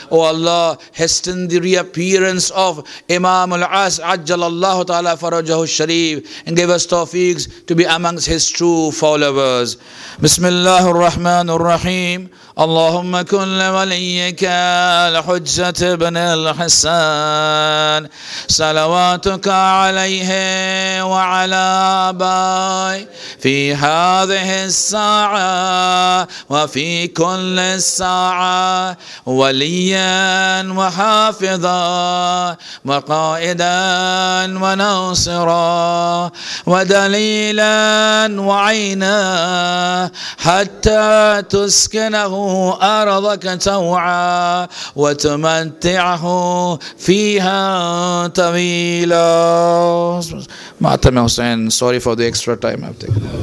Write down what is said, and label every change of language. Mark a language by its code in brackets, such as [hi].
[en] O Allah, hasten the reappearance of Imam al-As ajjalallahu ta'ala farajahu sharif, and give us tawfiq to be amongst his true followers. Bismillahir Rahmanir Rahim. [ar] اللهم كن لوليك الحجة بن الحسن صلواتك عليه وعلى آبائه في هذه الساعة وفي كل الساعة، وليا وحافظا وقائدا وناصرا ودليلا وعينا، حتى تسكنه أرضك توعى وتمتعه فيها طويلا. [en] معتمد حسين، sorry for the extra time I've taken.